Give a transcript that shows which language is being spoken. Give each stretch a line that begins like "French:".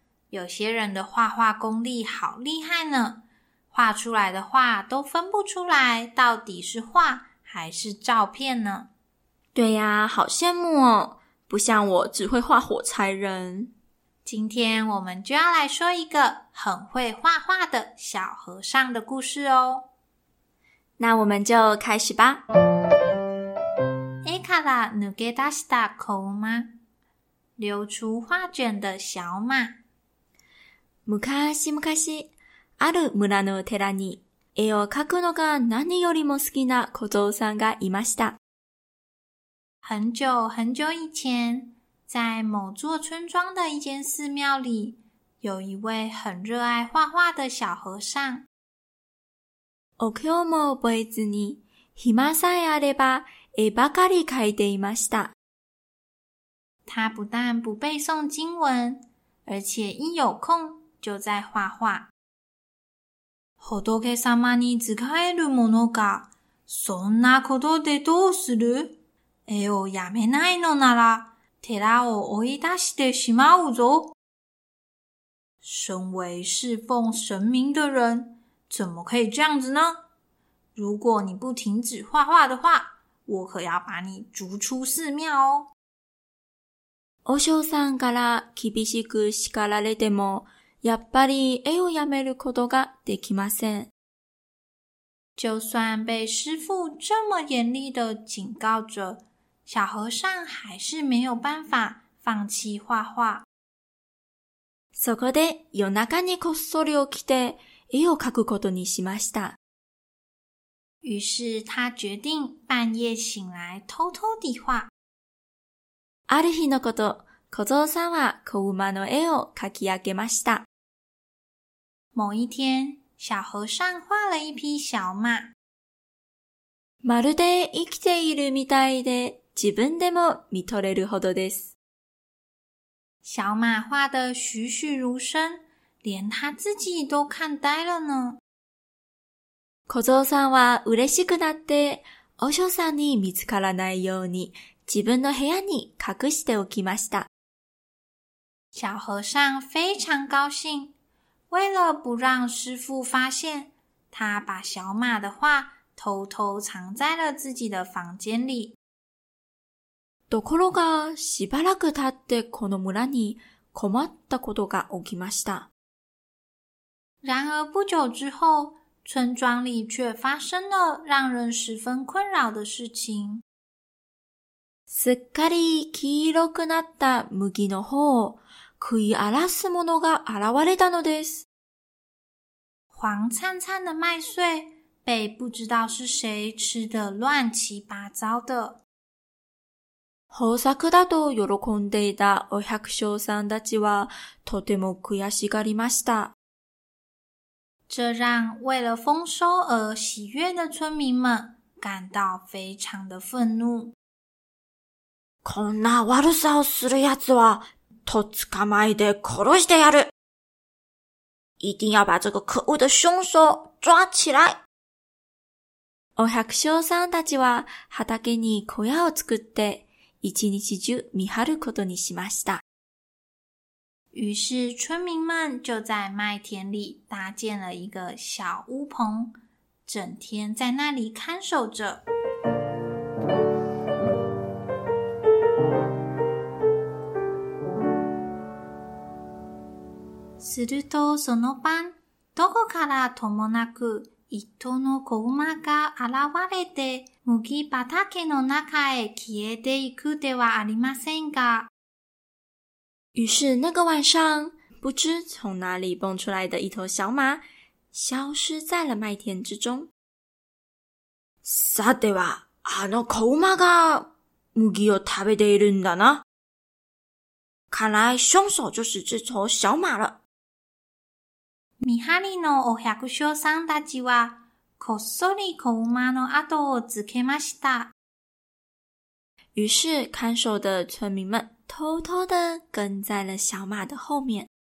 Chinese: 有些人的画画功力好厉害呢，画出来的画都分不出来到底是画还是照片呢。对呀，好羡慕哦，不像我只会画火柴人。今天我们就要来说一个很会画画的小和尚的故事哦。那我们就开始吧。
Japanese: 絵から抜け出した子馬、
Chinese: 流出画卷的小马。
Japanese: 昔昔、ある村の寺に絵を描くのが何よりも好きな小僧さんがいました。
Chinese: 很久很久以前，在某座村庄的一间寺庙里，有一位很热爱画画的小和尚。
Japanese: お経も覚えずに、暇さえあれば絵ばかり描いていました。
Chinese: 他不但不背诵经文，而且一有空就在画画。
Japanese: 仏様に仕えるものか、そんなことでどうする？絵をやめないのなら、寺を追い出してしまうぞ。
Chinese: 身为侍奉神明的人，怎么可以这样子呢？如果你不停止画画的话，我可要把你逐出寺庙哦。
Japanese: 和尚さんから厳しく叱られても、やっぱり絵をやめることができません。
Chinese: 就算被师父这么严厉的警告着，小和尚还是没有办法放弃画画。
Japanese: そこで夜中にこっそり起きて絵を描くことにしました。
Chinese: 于是他决定半夜醒来偷偷地画。
Japanese: ある日のこと、小僧さんは子馬の絵を描き上げました。
Chinese: 某一天，小和尚画了一匹小马。
Japanese: まるで生きているみたいで、自分でも見とれるほどです。
Chinese: 小马画得栩栩如生，连他自己都看呆了呢。
Japanese: 小僧さんは嬉しくなって、和尚さんに見つからないように自分の部屋に隠しておきました。
Chinese: 小和尚非常高兴，为了不让师父发现，他把小马的画偷偷藏在了自己的房间里。
Japanese: ところが、しばらく経ってこの村に困ったことが起きました。
Chinese: 然而不久之后，村庄里却发生了让人十分困扰的事情。
Japanese: すっかり黄色くなった麦の方を食い荒らす者が現れたのです。
Chinese: 黄灿灿的麦穗被不知道是谁吃得乱七八糟的。
Japanese: 豊作だと喜んでいたお百姓さんたちはとても悔しがりました。
Chinese: 这让为了丰收而喜悦的村民们感到非常的愤怒。
Japanese: こんな悪さをする奴はとっ捕まえて殺してやる。
Chinese: 一定要把这个可恶的凶手抓起来。
Japanese: お百姓さんたちは畑に小屋を作って一日中見張ることにしました。
Chinese: 于是村民们就在麦田里搭建了一个小屋棚，整天在那里看守着。
Japanese: するとその晩、どこからともなく一頭の子馬が現れて、麦畑の中へ消えていくではありませんか。
Chinese: 于是那个晚上，不知从哪里蹦出来的一头小马，消失在了麦田之中。
Japanese: さてはあの子馬が麦を食べているんだな。
Chinese: 看来凶手就是这头小马了。
Japanese: 見張りのお百姓さんたちは、こっそり子馬の後をつけました。
Chinese: 于是、看守的村民们、偷偷地跟在了小馬的後面。